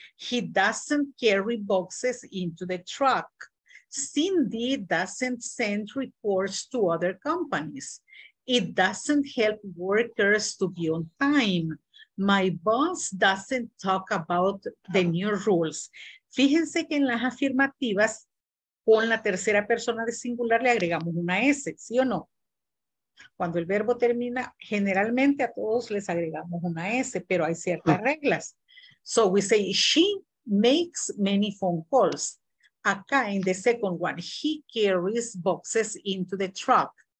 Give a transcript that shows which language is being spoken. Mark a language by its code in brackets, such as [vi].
[en] He doesn't carry boxes into the truck. Cindy doesn't send reports to other companies. It doesn't help workers to be on time. My boss doesn't talk about the new rules. [es] Fíjense que en las afirmativas, con la tercera persona de singular le agregamos una S, ¿sí o no? Cuando el verbo termina, generalmente a todos les agregamos una S, pero hay ciertas reglas. [en] So we say, she makes many phone calls. [es] Acá en [en] the second one, he carries boxes into the truck.